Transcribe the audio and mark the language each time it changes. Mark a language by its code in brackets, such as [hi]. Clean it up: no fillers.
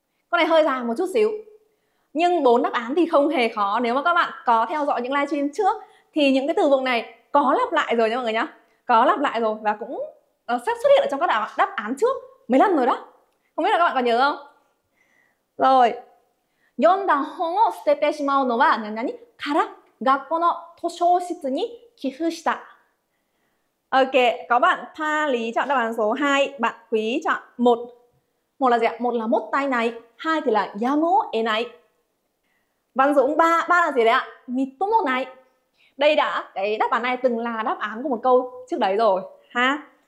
[vi] Con này hơi dài một chút xíu, nhưng bốn đáp án thì không hề khó. Nếu mà các bạn có theo dõi những livestream trước thì những cái từ vựng này có lặp lại rồi nha mọi người nhá. Có lặp lại rồi và cũng sắp xuất hiện ở trong các đáp án trước mấy lần rồi đó. Không biết là các bạn còn nhớ không? Rồi. [ja] 読んだ本を捨ててしまうのは何々から学校の図書室に寄付した. [vi] Ok, có bạn Tha Lý chọn đáp án số 2, bạn Quý chọn 1. Một là gì ạ? Một là mốt tay này, hai thì là yamu e này. Văn Dũng 3, 3 là gì đấy ạ? Mitomo này. Đây đã, cái đáp án này từng là đáp án của một câu trước đấy rồi ha.